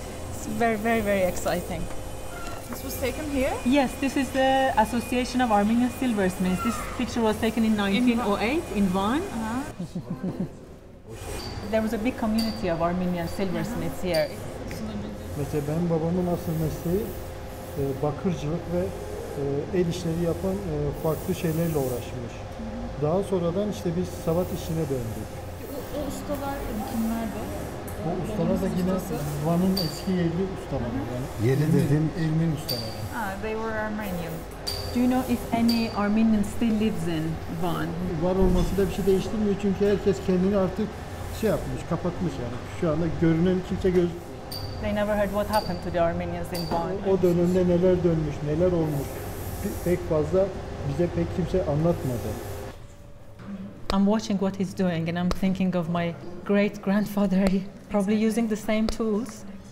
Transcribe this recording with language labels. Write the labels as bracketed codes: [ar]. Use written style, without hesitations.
[en] It's very, very, very exciting. This was taken here? Yes, this is the Association of Armenian Silversmiths. This picture was taken in 1908 in Van. Uh-huh. There was a big community of Armenian silversmiths here. [tr] Mesela benim babamın asıl mesleği bakırcılık ve el işleri yapan farklı şeylerle uğraşmış. Daha sonradan işte biz sabat işine döndük. O ustalar kimlerdi? O ustalar da yine Van'ın eski yerli ustaları. Yerli dedim, Ermeni ustaları. [en] Ah, they were Armenian. Do you know if any Armenian still lives in Van? [tr] Var olması da bir şey değiştirmiyor çünkü herkes kendini artık şey yapmış, kapatmış yani. Şu anda görünen kimse göz. [en] They never heard what happened to the Armenians in Van. [tr] O dönemde neler dönmüş, neler olmuş. Pek fazla bize pek kimse anlatmadı. [en] I'm watching what he's doing and I'm thinking of my great grandfather probably using the same tools.